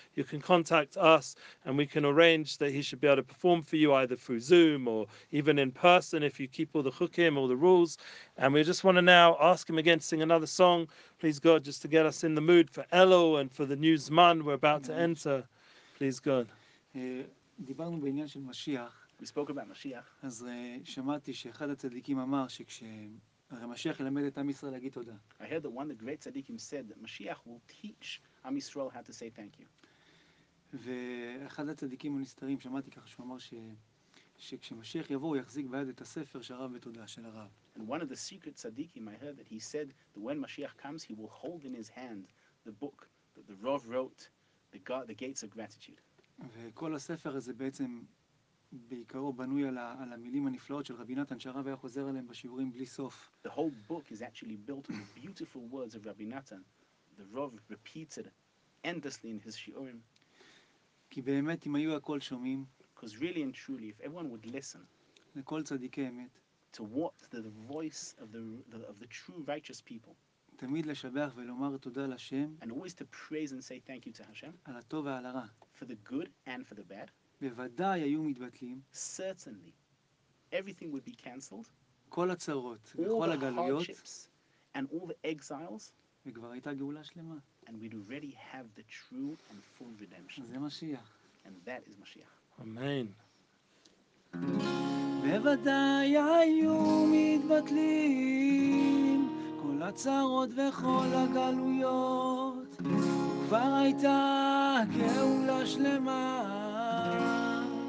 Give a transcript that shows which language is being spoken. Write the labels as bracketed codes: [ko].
[en] You can contact us and we can arrange that he should be able to perform for you either through Zoom or even in person if you keep all the chukim, all the rules. And we just want to now ask him again to sing another song. Please God, just to get us in the mood for Elo and for the new Zman we're about to enter. Please God. We spoke about Mashiach. [he] אז שמעתי שאחד הצדיקים אמר שכשמשיח ילמד את עם ישראל להגיד תודה. [en] I heard that one of the great tzaddikim said that Mashiach will teach Am Yisrael how to say thank you. [he] ואחד הצדיקים הנסתרים, שמעתי ככה שהוא אמר שכשמשיח יבוא, הוא יחזיק ביד את הספר שהרב בתודה של הרב. [en] And one of the secret tzaddikim, I heard that he said that when Mashiach comes, he will hold in his hand the book that the Rav wrote, the Gates of Gratitude. [he] וכל הספר הזה בעצם בעיקרו בנוי על המילים הנפלאות של רבי נתן שהרב היה חוזר עליהם בשיעורים בלי סוף. [en] The whole book is actually built on the beautiful words of Rabbi Natan. The Rav repeated endlessly in his shiurim. [he] כי באמת אם היו הכל שומעים, [en] because really and truly, if everyone would listen, [he] לכל צדיקי אמת, [en] to what the voice of the true righteous people, [he] תמיד לשבח ולומר תודה לשם, [en] and always to praise and say thank you to Hashem, [he] על הטוב ועל הרע, [en] for the good and for the bad, [he] בוודאי היו מתבטלים. [en] Certainly, everything would be cancelled. [he] כל הצרות, כל הגלויות, [en] and all the exiles. [he] וכבר הייתה גאולה שלמה. [en] And we'd already have the true and full redemption. [he] זה משיח. [en] And that is Mashiach. Amen. [he] בוודאי היו מתבטלים כל הצרות וכל הגלויות. כבר הייתה גאולה שלמה.